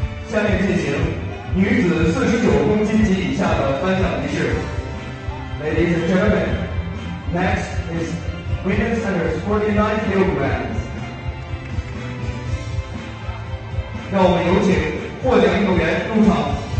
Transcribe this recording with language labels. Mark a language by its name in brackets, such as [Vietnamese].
[Chinese] 下面进行女子49公斤及以下的颁奖仪式。 [English] Ladies and gentlemen, next is women's under 49 kilograms. [Chinese] 让我们有请获奖运动员入场。